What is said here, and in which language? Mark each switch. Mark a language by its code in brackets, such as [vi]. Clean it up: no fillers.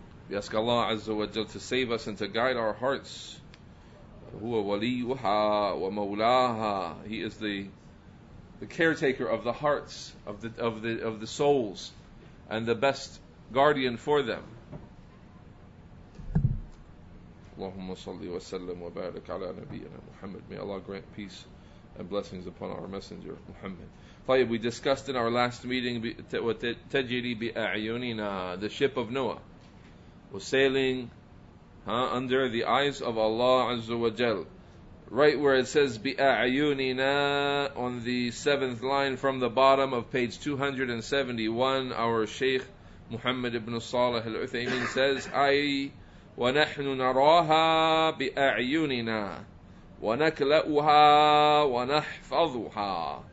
[en] We ask Allah Azza wa Jal to save us and to guide our hearts. [ar] هُوَ وَلِيُّهَا وَمَوْلَاهَا. [en] He is the caretaker of the hearts, of the souls, and the best guardian for them. [ar] اللهم صل وسلم وبارك على نبينا محمد. [en] May Allah grant peace and blessings upon our messenger Muhammad. طيب, we discussed in our last meeting [ar] تَجِرِي بِأَعْيُنِنَا, [en] the ship of Noah was sailing under the eyes of Allah Azza wa Jal. Right where it says بِأَعْيُنِنَا, on the seventh line from the bottom of page 271, our Shaykh Muhammad ibn Salih al-Uthaymeen says, [ar] أَيْ وَنَحْنُ نَرَاهَا بِأَعْيُنِنَا وَنَكْلَأُهَا وَنَحْفَظُهَا.